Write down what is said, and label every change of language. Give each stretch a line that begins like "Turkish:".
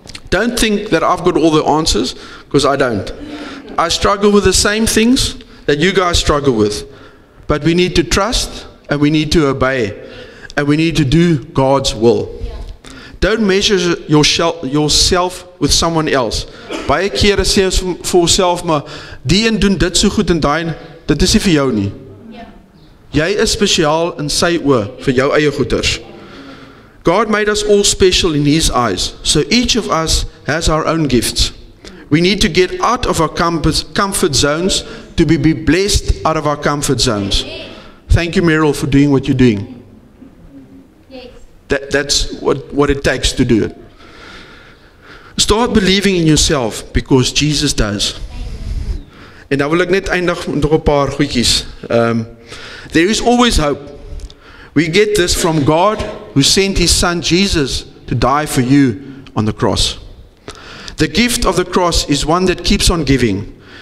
English: Don't think that I've got all the answers, because I don't. I struggle with the same things that you guys struggle with. But we need to trust and we need to obey and we need to do God's will. Don't measure yourself with someone else.
Afrikaans: Baie kere sê ons vir onsself, maar die een doen dit so goed en daai, dit is nie vir jou nie. Jy is spesiaal in sy oë vir jou eie goeders.
English: God made us all special in his eyes. So each of us has our own gifts. We need to get out of our comfort zones to be blessed out of our comfort zones. Thank you, Meryl, for doing what you're doing. That's what it takes to do it. Start believing in yourself because Jesus does.
Afrikaans: En nou wil ek net eindig met nog 'n paar goedjies.
English: There is always hope. We get this from God who sent his son Jesus to die for you on the cross. The gift of the cross is one that keeps on giving.